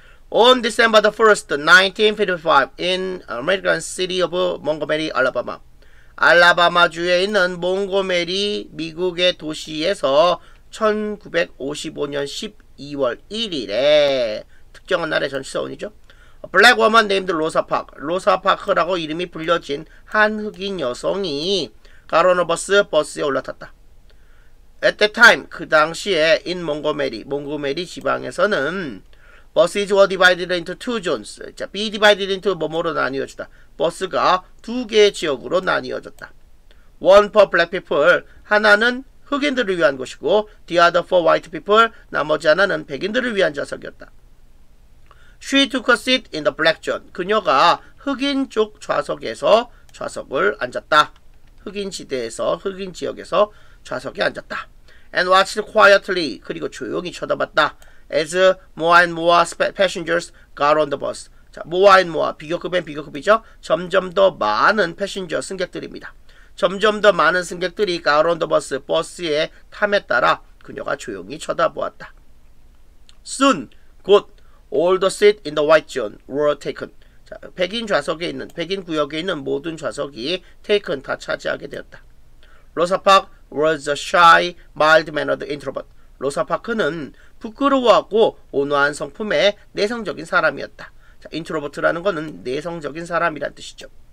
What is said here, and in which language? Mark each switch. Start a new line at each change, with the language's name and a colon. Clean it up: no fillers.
English: On December the 1st, 1955 in American city of Montgomery, Alabama.
Korean: 알라바마주에 있는 몽고메리 미국의 도시에서 1955년 12월 1일에 특정한 날에 전시사원이죠.
English: A black woman named Rosa Parks.
Korean: Rosa Parks라고 이름이 불려진 한 흑인 여성이 가로노버스 버스에 올라탔다.
English: At that time,
Korean: 그 당시에
English: in Montgomery,
Korean: 몽고메리 지방에서는
English: Buses were divided into two zones.
Korean: 자,
English: be divided into
Korean: 뭐뭐로 나뉘어졌다. 버스가 두 개의 지역으로 나뉘어졌다.
English: One for black people.
Korean: 하나는 흑인들을 위한 곳이고,
English: the other for white people.
Korean: 나머지 하나는 백인들을 위한 좌석이었다.
English: She took a seat in the black zone.
Korean: 그녀가 흑인 쪽 좌석에서 좌석을 앉았다. 흑인 지대에서, 흑인 지역에서 좌석에 앉았다.
English: And watched quietly.
Korean: 그리고 조용히 쳐다봤다.
English: As more and more passengers got on the bus.
Korean: 자,
English: more and more,
Korean: 비교급엔 비교급이죠. 점점 더 많은 패신저 승객들입니다. 점점 더 많은 승객들이
English: got on the bus,
Korean: 버스에 탐에 따라 그녀가 조용히 쳐다보았다.
English: Soon,
Korean: 곧,
English: all the seats in the white zone were taken.
Korean: 자, 백인 좌석에 있는 백인 구역에 있는 모든 좌석이 테이크는 다 차지하게 되었다.
English: 로사 파크 was a shy, mild-mannered introvert.
Korean: 로사 파크는 부끄러워하고 온화한 성품의 내성적인 사람이었다. 자, 인트로버트라는 것은 내성적인 사람이란 뜻이죠.